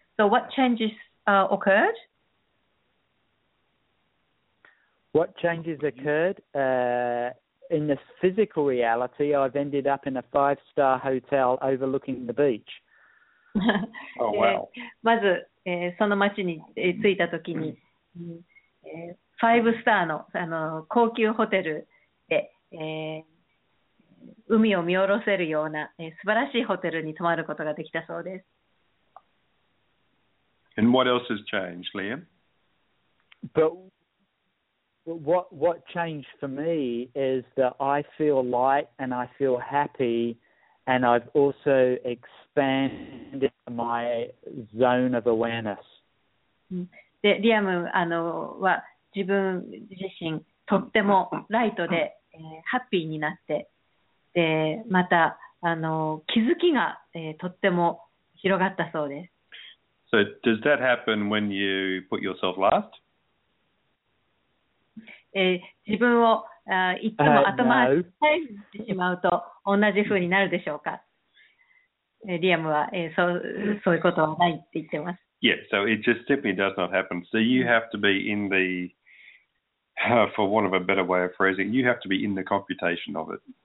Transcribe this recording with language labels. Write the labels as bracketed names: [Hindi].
[English] So what changes occurred? What changes occurred? In the physical reality, I've ended up in a 5-star hotel overlooking the beach. oh, wow. [Japanese] まず、その町に、着いたときに、ファイブスターの、高級ホテルで、海を見下ろせるような、素晴らしいホテルに泊まることができたそうです。 [English] And what else has changed, Liam? But what changed for me is that I feel light and I feel happy. And I've also expanded my zone of awareness. [Japanese] で、リアムは自分自身とってもライトで、ハッピーになって、で、また気づきが、とっても広がったそうです。 [English] So does that happen when you put yourself last? [Japanese] 自分をいつも頭を下げてしまうと同じ風になるでしょうか。リアムは、そういうことはないって言ってます。 [English] Yeah, so it just simply does not happen. So you have to be in the, for want of a better way of phrasing, you have to be in the computation of it.